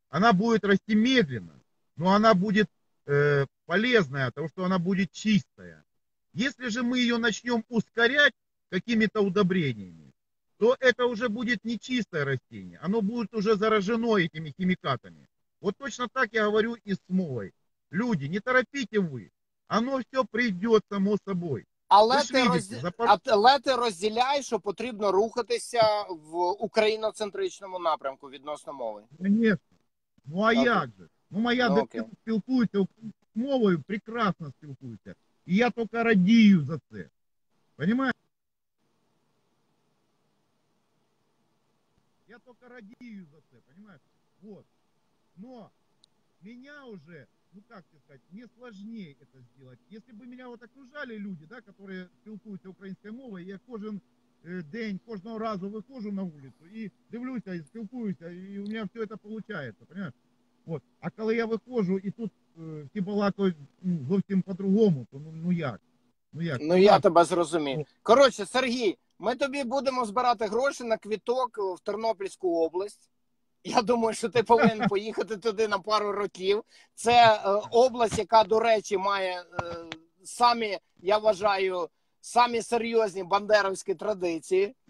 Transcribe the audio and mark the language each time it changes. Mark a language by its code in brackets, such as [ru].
[ru] Она будет расти медленно, но она будет полезная, потому что она будет чистая. Если же мы ее начнем ускорять какими-то удобрениями, то это уже будет не чистое растение. Оно будет уже заражено этими химикатами. Вот точно так я говорю и с смолой. Люди, не торопите вы. Оно все прийде само собой. [uk] Але ти, але ти розділяєш, що потрібно рухатися в україноцентричному напрямку відносно мови? Звісно. Ну а як же? Ну моя дитина спілкується мовою, прекрасно спілкується. І я тільки радію за це. Понимаєш? Я тільки радію за це, понимаєш? [ru] Вот. Но меня уже... Ну, как тебе сказать, мне сложнее это сделать. Если бы меня вот окружали люди, да, которые спілкуются украинской мовой, я кожен день, кожного разу выхожу на улицу и дивлюся, и спілкуюся, и у меня все это получается, понимаешь? Вот. А когда я выхожу, и тут все балакают совсем по-другому, [uk] то ну як? Ну, я тебе зрозумію. Короче, Сергій, ми тобі будемо збирати гроші на квіток в Тернопільську область. Я думаю, що ти повинен поїхати туди на пару років. Це область, яка, до речі, має самі, я вважаю, самі серйозні бандерівські традиції.